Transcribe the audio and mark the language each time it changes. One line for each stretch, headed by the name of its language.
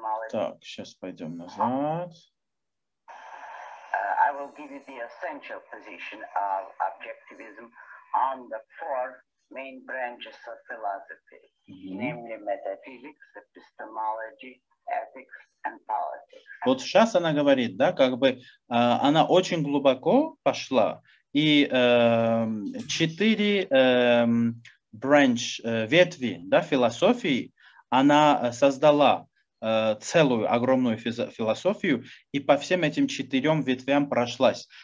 Russian: Так, сейчас пойдем назад.
English: I will give you the essential position of objectivism on the four main branches of philosophy, namely metaphysics, epistemology, ethics.
Russian: Вот сейчас она говорит, да, как бы она очень глубоко пошла, и четыре branch, ветви, да, философии она создала целую огромную философию и по всем этим четырем ветвям прошлась.